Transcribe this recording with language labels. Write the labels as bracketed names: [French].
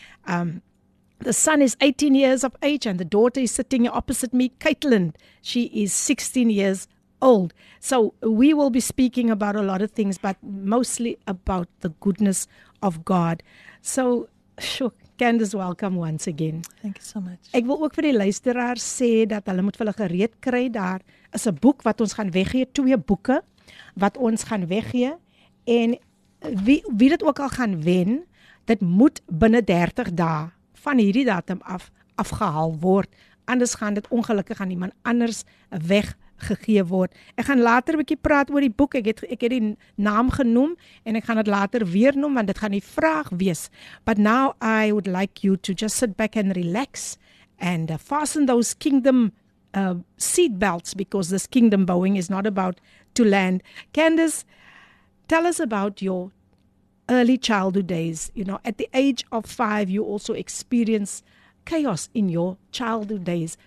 [English] The son is 18 years of age and the daughter is sitting opposite me, Caitlin. She is 16 years old. So we will be speaking about a lot of things, but mostly about the goodness of God. So, sure. Candice, welcome once again. Thank you so much. [Afrikaans] Ek wil ook vir die luisteraar sê dat hulle moet vir hulle gereed kry. Daar is 'n boek wat ons gaan weggee, 2 boeke wat ons gaan weggee. En wie dit ook al gaan wen, dit moet binne 30 dae van hierdie datum afgehaal word. Anders gaan dit ongelukkig aan iemand anders weggegee word. Ek gaan later 'n bietjie praat oor die boek. Ek het die naam genoem en ek gaan dit later weer noem want dit gaan die vraag wees. [English] But now I would like you to just sit back and relax and fasten those kingdom seat belts because this kingdom bowing is not about to land. Candice, tell us about your early childhood days. You know, at the age of 5, you also experienced chaos in your childhood days.